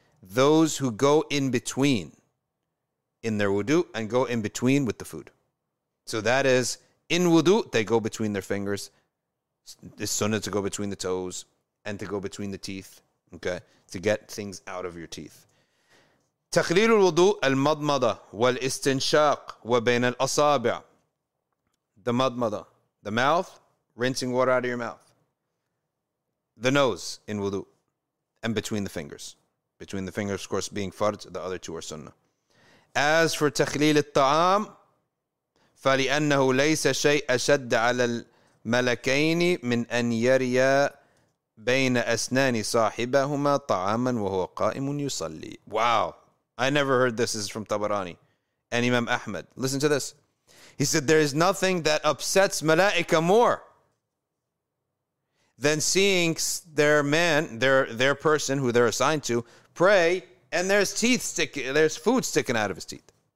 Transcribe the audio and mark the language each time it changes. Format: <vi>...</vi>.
<en>Those who go in between in their wudu and go in between with the food. So that is, in wudu, they go between their fingers. It's sunnah to go between the toes and to go between the teeth, okay, to get things out of your teeth.</en> <ar>تخليل الوضوء المضمضة والاستنشاق وبين الأصابع.</ar> <en>The مضمضة, the mouth, rinsing water out of your mouth. The nose in wudu, and between the fingers. Between the fingers, of course, being فرض, the other two are sunnah. As for</en> <ar>تخليل الطعام, فلأنه ليس شيء أشد على الملكين من أن يريا بين أسنان صاحبهما طعاما وهو قائم يصلي.</ar> <en>Wow. I never heard this. This is from Tabarani and Imam Ahmed. Listen to this. He said, there is nothing that upsets Malaika more than seeing their man, their person who they're assigned to, pray, and there's food sticking out of his teeth.</en>